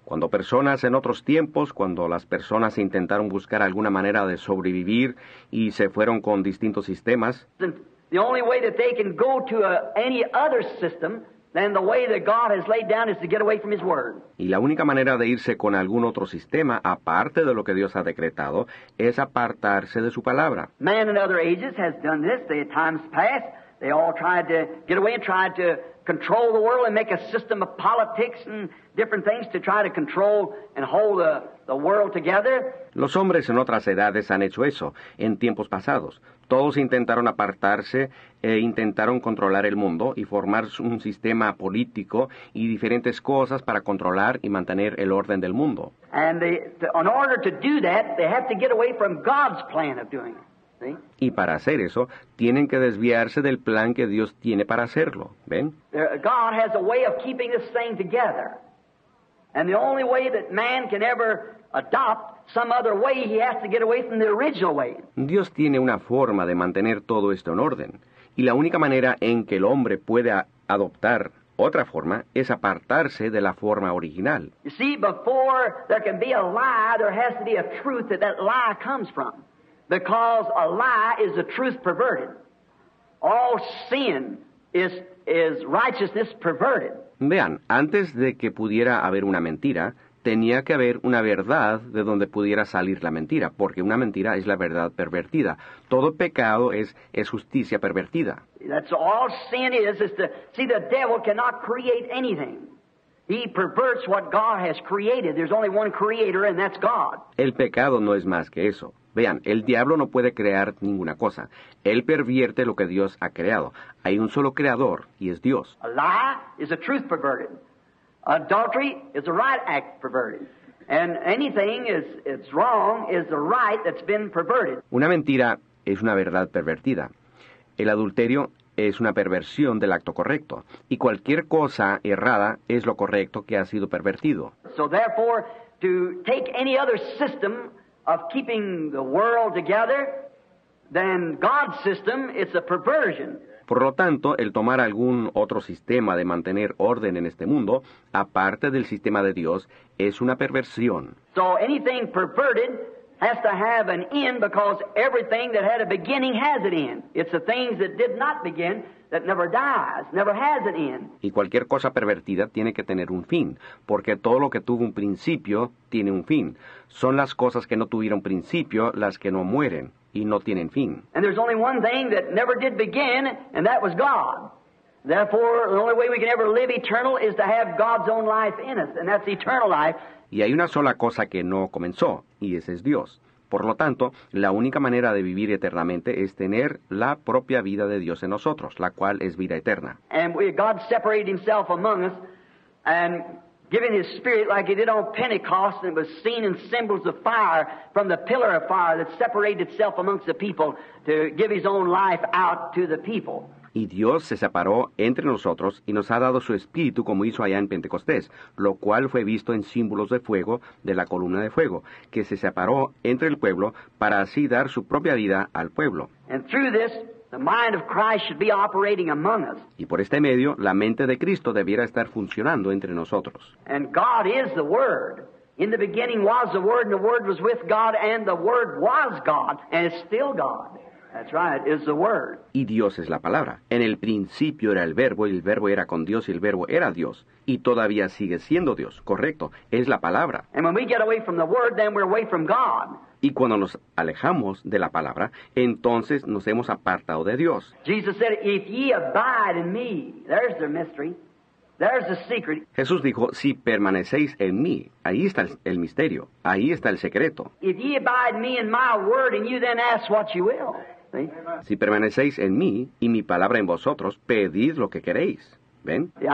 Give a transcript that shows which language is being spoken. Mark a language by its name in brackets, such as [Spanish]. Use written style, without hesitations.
[Spanish] Cuando personas en otros tiempos, cuando las personas intentaron buscar alguna manera de sobrevivir y se fueron con distintos sistemas. [English] The only way that they can go to any other system than the way that God has laid down is to get away from His Word. [Spanish] Y la única manera de irse con algún otro sistema, aparte de lo que Dios ha decretado, es apartarse de su palabra. [English] Man in other ages has done this. They at times past, they all tried to get away and tried to control the world and make a system of politics and different things to try to control and hold the world together. [Spanish] Los hombres en otras edades han hecho eso en tiempos pasados. Todos intentaron apartarse e intentaron controlar el mundo y formar un sistema político y diferentes cosas para controlar y mantener el orden del mundo. [English] And in order to do that, they have to get away from God's plan of doing it. [Spanish] Y para hacer eso, tienen que desviarse del plan que Dios tiene para hacerlo. ¿Ven? [English] God has a way of keeping this thing together. And the only way that man can ever adopt some other way, he has to get away from the original way. [Spanish] Dios tiene una forma de mantener todo esto en orden. Y la única manera en que el hombre pueda adoptar otra forma es apartarse de la forma original. [English] You see, before there can be a lie, there has to be a truth that that lie comes from. Because a lie is the truth perverted. All sin is righteousness perverted. [Spanish] Vean, antes de que pudiera haber una mentira, tenía que haber una verdad de donde pudiera salir la mentira, porque una mentira es la verdad pervertida. Todo pecado es justicia pervertida. [English] That's all sin is to see the devil cannot create anything. He perverts what God has created. There's only one creator, and that's God. [Spanish] El pecado no es más que eso. Vean, el diablo no puede crear ninguna cosa. Él pervierte lo que Dios ha creado. Hay un solo creador, y es Dios. [English] A lie is a truth perverted. Adultery is a right act perverted. And anything is wrong is a right that's been perverted. [Spanish] Una mentira es una verdad pervertida. El adulterio es una perversión del acto correcto. Y cualquier cosa errada es lo correcto que ha sido pervertido. [English] So therefore, to take any other system of keeping the world together, then God's system is a perversion. [Spanish] Por lo tanto, el tomar algún otro sistema de mantener orden en este mundo, aparte del sistema de Dios, es una perversión. [English] So anything perverted has to have an end because everything that had a beginning has an end. It's the things that did not begin that never dies, never has an end. [Spanish] Y cualquier cosa pervertida tiene que tener un fin, porque todo lo que tuvo un principio tiene un fin. Son las cosas que no tuvieron principio las que no mueren y no tienen fin. [English] And there's only one thing that never did begin, and that was God. Therefore, the only way we can ever live eternal is to have God's own life in us, and that's eternal life. [Spanish] Y hay una sola cosa que no comenzó, y ese es Dios. Por lo tanto, la única manera de vivir eternamente es tener la propia vida de Dios en nosotros, la cual es vida eterna. [English] And God separated himself among us and given his spirit like he did on Pentecost, and was seen in symbols of fire from the pillar of fire that separated itself amongst the people to give his own life out to the people. [Spanish] Y Dios se separó entre nosotros y nos ha dado su espíritu como hizo allá en Pentecostés, lo cual fue visto en símbolos de fuego, de la columna de fuego, que se separó entre el pueblo para así dar su propia vida al pueblo. [English] And through this, the mind of Christ should be operating among us. [Spanish] Y por este medio, la mente de Cristo debiera estar funcionando entre nosotros. [English] And God is the Word. In the beginning was the Word, and the Word was with God, and the Word was God, and is still God. That's right, is the Word. [Spanish] Y Dios es la palabra. En el principio era el verbo era con Dios, y el verbo era Dios. Y todavía sigue siendo Dios. Correcto, es la palabra. [English] And when we get away from the Word, then we're away from God. [Spanish] Y cuando nos alejamos de la palabra, entonces nos hemos apartado de Dios. [English] Jesus said, if ye abide in me, there's the mystery. There's the secret. [Spanish] Jesús dijo, si permanecéis en mí, ahí está el misterio, ahí está el secreto. [English] If ye abide me in my word and you then ask what you will. [Spanish] Si permanecéis en mí y mi palabra en vosotros, pedid lo que queréis. ¿Ven?